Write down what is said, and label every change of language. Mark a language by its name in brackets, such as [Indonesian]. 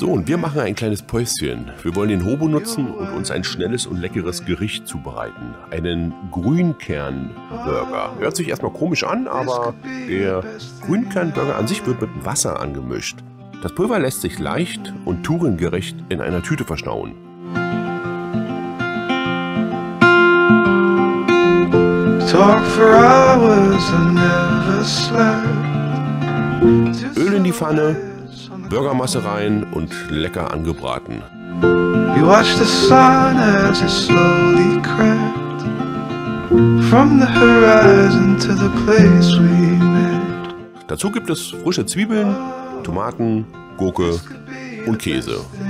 [German] Wir machen ein kleines Päuschen. Wir wollen den Hobo nutzen und uns ein schnelles und leckeres Gericht zubereiten. Einen Grünkernburger. Hört sich erstmal komisch an, aber der Grünkernburger an sich wird mit Wasser angemischt. Das Pulver lässt sich leicht und tourengerecht in einer Tüte verstauen. [English] Talk for hours and never slept. [German] Öl in die Pfanne. Burgermasse rein und lecker angebraten. [English] We watch the sun as it slowly crept from the horizon to the place we met. [German] Dazu gibt es frische Zwiebeln, Tomaten, Gurke und Käse.